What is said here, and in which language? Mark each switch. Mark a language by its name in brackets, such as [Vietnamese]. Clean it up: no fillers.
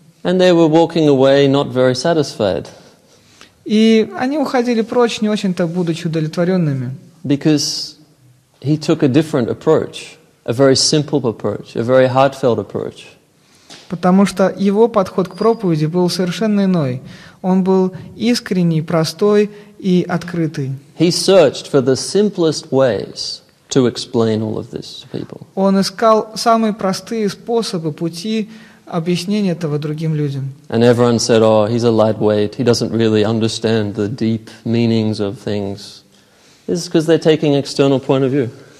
[English] And they were walking away not very satisfied. [Russian] И они уходили прочь, не очень-то будучи удовлетворенными. [English] Because he took a different approach, a very simple approach, a very heartfelt approach. [Russian] Потому что его подход к проповеди был совершенно иной. Он был искренний, простой и открытый. [English] He searched for the simplest ways to explain all of this to people. [Russian] Он искал самые простые способы, пути объяснения этого другим людям. [English] And everyone said, "Oh, he's a lightweight. He doesn't really understand the deep meanings of things." This is because they're taking external point of view.